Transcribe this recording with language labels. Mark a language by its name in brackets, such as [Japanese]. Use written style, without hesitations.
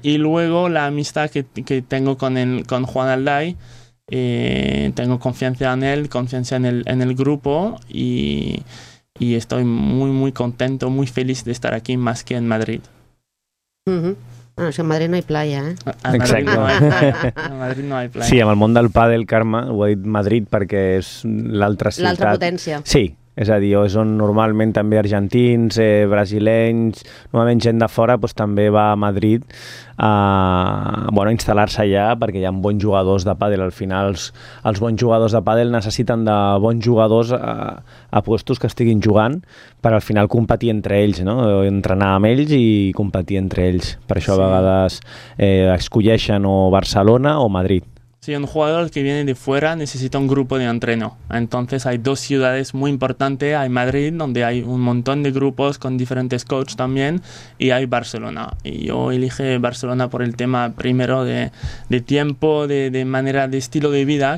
[Spanish] Y luego la amistad que tengo con Juan Alday, tengo confianza en él, confianza en el grupo y estoy muy, muy contento, muy feliz de estar aquí más que en Madrid. Bueno, si en Madrid no hay playa, ¿eh? Exacto. En Madrid no hay playa. [Catalan] Sí, amb el món del pádel, Carme, ho ha dit Madrid perquè és l'altra ciutat. L'altra potència. Sí. És a dir, és on normalment també argentins, brasileños, normalment gent de fora, doncs, també va a Madrid a instal·lar-se allà perquè hi ha bons jugadors de pàdel. Al final els bons jugadors de pàdel necessiten de bons jugadors a puestos que estiguin jugant per al final competir entre ells, no? Entrenar amb ells i competir entre ells. Per això sí. A vegades escolleixen o Barcelona o Madrid. [Spanish] Sí, un jugador que viene de fuera necesita un grupo de entreno. Entonces hay dos ciudades muy importantes. Hay Madrid, donde hay un montón de grupos con diferentes coaches también, y hay Barcelona. Y yo elige Barcelona por el tema primero de tiempo, de manera de estilo de vida.